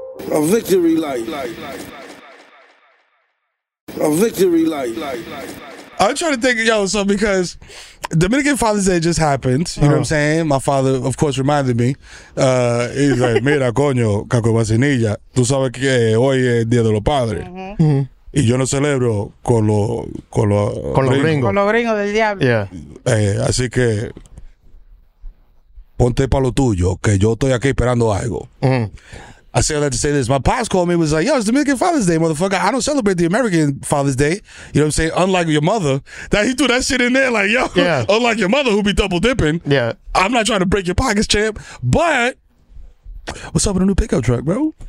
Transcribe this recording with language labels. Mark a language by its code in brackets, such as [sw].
[en] Yo, a victory light. A victory light. I'm trying to think, yo, so because Dominican Father's Day just happened. You know what I'm saying? My father, of course, reminded me. He's like, [es] mira, coño, caco vacinilla. Tú sabes que hoy es Día de los Padres. Mm-hmm. Y yo no celebro con los gringos. Con los gringos del diablo. [en] Yeah. [es] Así que ponte pa' lo tuyo, que yo estoy aquí esperando algo. [en] I say that to say this. My pops called me and was like, yo, it's Dominican Father's Day, motherfucker. I don't celebrate the American Father's Day. You know what I'm saying? Unlike your mother. That he threw that shit in there like, yo, unlike your mother who be double dipping. Yeah. I'm not trying to break your pockets, champ. But what's up with a new pickup truck, bro?